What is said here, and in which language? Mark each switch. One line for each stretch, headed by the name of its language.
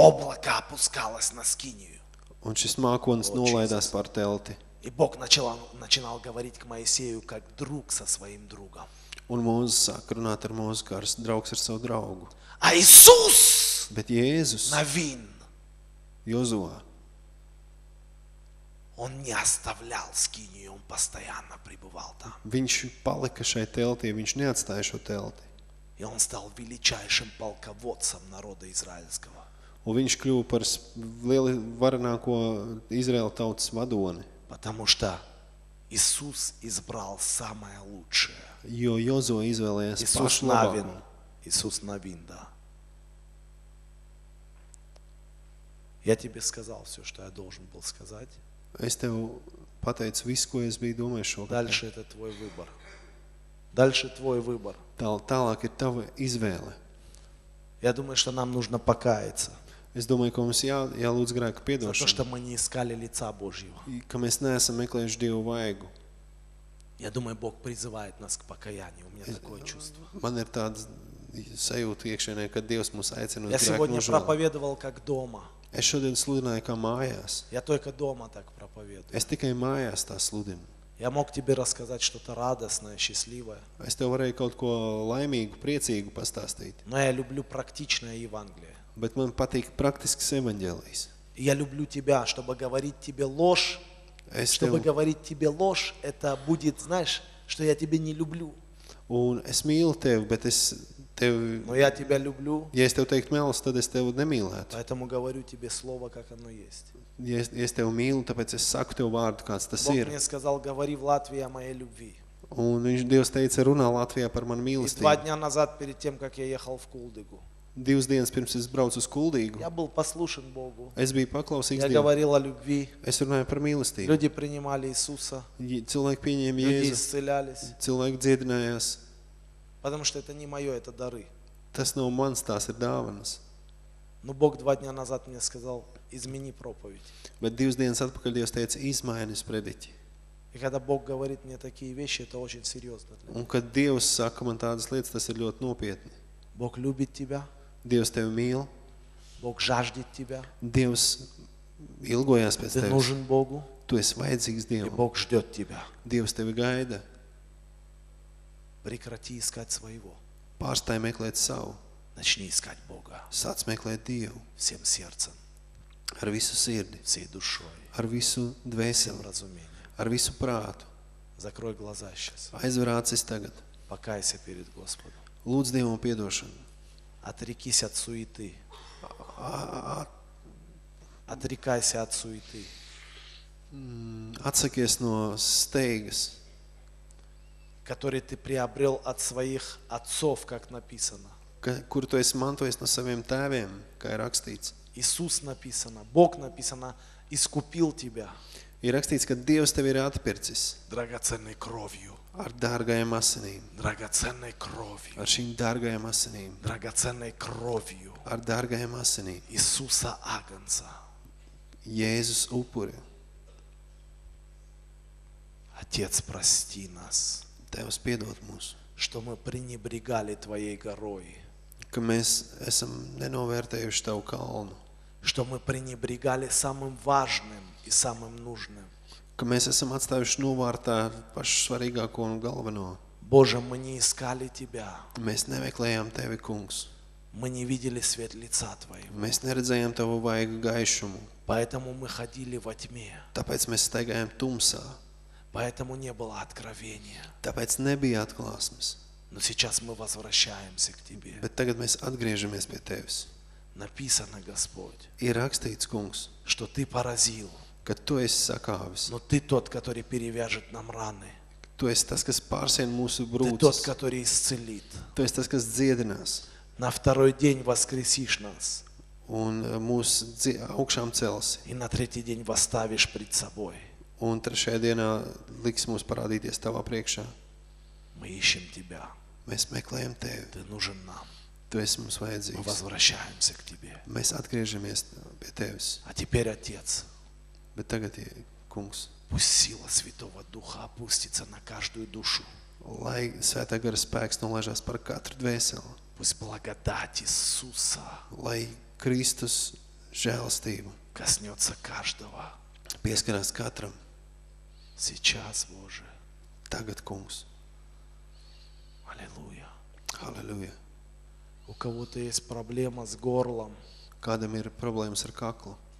Russian: Облака опускалось на скинию.
Latvian: Un šis mākonis nolaidās par telti.
Russian: И Бог начинал говорить к Моисею, как друг со своим другом.
Latvian: Un Mūzes sāk runāt ar Mūzes, kā draugs ar savu draugu.
Russian: А Иисус!
Latvian: Bet Jēzus!
Russian: Навин!
Latvian: Jozuā!
Russian: Он не оставлял скинию, он постоянно пребывал там.
Latvian: Viņš palika šai teltī, viņš neatstāja šo telti.
Russian: И он стал величайшим полководцем народа израильского.
Latvian: Un viņš kļuva par lieli varenāko Izraela tautas vadoni.
Russian: Потому что Иисус избрал самое лучшее.
Latvian: Jo Jozo izvēlējās pašu labāko.
Russian: Иисус Навин, да. Я тебе сказал все, что я должен был сказать.
Latvian: Es tev pateicu visu, ko es biju domājis šogad.
Russian: Дальше это твой выбор. Дальше твой выбор.
Latvian: Tālāk ir tava izvēle.
Russian: Я думаю, что нам нужно покаяться.
Latvian: Es domāju, ka mums jālūdz grēku piedošanu.
Russian: За то, что мы не искали лица Божьего.
Latvian: Ka mēs neesam meklējuši Dievu vaigu.
Russian: Я думаю, Бог призывает нас к покаянию. У меня такое чувство.
Latvian: Man ir tāds sajūta iekšēnē, ka Dievs mūs aicina uz grēku nožēlu.
Russian: Я сегодня проповедовал как дома.
Latvian: Es šodien sludināju kā mājās.
Russian: Я только дома так проповедую.
Latvian: Es tikai mājās tā sludinu.
Russian: Я мог тебе рассказать что-то радостное, счастливое.
Latvian: Es tev varēju kaut ko laimīgu, priecīgu pastāstīt.
Russian: Но я люблю практичное Евангелие.
Latvian: Bet man patīk praktisks evaņģēlijs.
Russian: Я люблю тебя, чтобы говорить тебе ложь.
Latvian: Es
Russian: чтобы говорить тебе ложь, это будет, знаешь, что я тебя не люблю.
Latvian: Un es mīlu tevi, bet es tevi.
Russian: Но я тебя люблю.
Latvian: Ja es tev teiktu melus, tad es tevi nemīlētu.
Russian: Поэтому говорю тебе слово, как оно есть.
Latvian: Ja es tevi mīlu, tāpēc es saku tev vārdu, kāds tas
Russian: Бог
Latvian: ir.
Russian: Мне сказал, говори в Латвии о моей любви.
Latvian: Un viņš Dievs teica, runā Latvijā par manu mīlestību.
Russian: Два дня назад перед тем, как я ехал в Кулдыгу.
Latvian: Divas dienas pirms es braucu uz Kuldīgu.
Russian: Я был послушен Богу.
Latvian: Es biju paklausīgs Dievam.
Russian: Я говорил о любви.
Latvian: Es runāju par mīlestību.
Russian: Люди принимали Иисуса.
Latvian: Cilvēki pieņēma Jēzu.
Russian: Люди исцелялись.
Latvian: Cilvēki dziedinājās.
Russian: Потому что это не мое, это дары.
Latvian: Tas nav mans, tās ir dāvanas.
Russian: Но Бог два дня назад мне сказал, измени проповедь.
Latvian: Bet divas dienas atpakaļ Dievs teica, izmaini sprediķi.
Russian: И когда Бог говорит мне такие вещи, это очень серьезно.
Latvian: Un kad Dievs saka man tādas lietas, tas ir ļoti nopietni.
Russian: Бог любит тебя.
Latvian: Dievs tevi mīl.
Russian: Бог жаждет тебя.
Latvian: Dievs ilgojās pēc tevis.
Russian: Ты нужен Богу.
Latvian: Tu esi vajadzīgs Dievam.
Russian: И Бог ждёт тебя.
Latvian: Dievs tevi gaida.
Russian: Прекрати искать своего.
Latvian: Pārstāj meklēt savu.
Russian: Начни искать Бога.
Latvian: Sāc meklēt Dievu.
Russian: Всем сердцем.
Latvian: Ar visu sirdi.
Russian: Всей душой.
Latvian: Ar visu dvēseli.
Russian: Всем разумением.
Latvian: Ar visu prātu.
Russian: Закрой глаза сейчас.
Latvian: Aizver acis tagad.
Russian: Покайся перед Господом.
Latvian: Lūdz Dievam piedošanu.
Russian: Отрекись от суеты. Отрекайся от суеты.
Latvian: Atsakies no steigas.
Russian: Который ты приобрел от своих отцов, как написано.
Latvian: Kur tu esi mantojis no saviem tēviem, kā ir rakstīts.
Russian: Иисус написано, Бог написано, искупил тебя.
Latvian: Ir rakstīts, ka Dievs tevi ir atpircis.
Russian: Драгоценной кровью.
Latvian: Ar dārgajām asinīm.
Russian: Драгоценной кровью.
Latvian: Ar šīm dārgajām asinīm.
Russian: Драгоценной кровью.
Latvian: Ar dārgajām asinīm.
Russian: Иисуса агнца.
Latvian: Jēzus upuri.
Russian: Отец, прости нас.
Latvian: Tevs piedod mūs.
Russian: Что мы пренебрегали твоей горой.
Latvian: Ka mēs esam nenovērtējuši tavu kalnu.
Russian: Что мы пренебрегали самым важным и самым нужным.
Latvian: Ka mēs esam atstājuši novārtā pašu svarīgāko un galveno.
Russian: Боже, мы не искали тебя.
Latvian: Mēs nemeklējām tevi, Kungs.
Russian: Мы не видели свет лица твоего.
Latvian: Mēs neredzējām tavu vaigu gaišumu.
Russian: Поэтому мы ходили во тьме.
Latvian: Tāpēc mēs staigājām tumsā.
Russian: Поэтому не было откровения.
Latvian: Tāpēc nebija atklāsmes.
Russian: Но сейчас мы возвращаемся к тебе.
Latvian: Bet tagad mēs atgriežamies pie tevis.
Russian: Написано, Господь.
Latvian: Ir rakstīts, Kungs,
Russian: что ты поразил.
Latvian: Ka tu esi sakāvis.
Russian: Но ты тот, который перевяжет нам раны.
Latvian: Tu esi tas, kas pārsien mūsu brūces.
Russian: Ты тот, который исцелит.
Latvian: Tu esi tas, kas dziedinās.
Russian: На второй день воскресишь нас.
Latvian: Un mūs augšām cels.
Russian: И на третий день восставишь пред собой.
Latvian: Un trešajā dienā liks mūs parādīties tavā priekšā.
Russian: Мы ищем тебя.
Latvian: Mēs meklējam tevi.
Russian: Ты нужен нам.
Latvian: Tu esi mums vajadzīgs.
Russian: Мы возвращаемся к тебе.
Latvian: Mēs atgriežamies pie tevis.
Russian: А теперь, Отец.
Latvian: Bet tagad, Kungs.
Russian: Пусть сила Святого Духа опустится на каждую душу.
Latvian: Lai Svētā Gara spēks nolaižās par katru dvēseli.
Russian: Пусть благодать Иисуса.
Latvian: Lai Kristus žēlstību.
Russian: Коснется каждого.
Latvian: Pieskarās katram.
Russian: Сейчас, Боже.
Latvian: Tagad, Kungs.
Russian: Аллилуйя. Аллилуйя. У кого-то есть проблема с горлом.
Latvian: Kādam ir problēmas ar kaklu.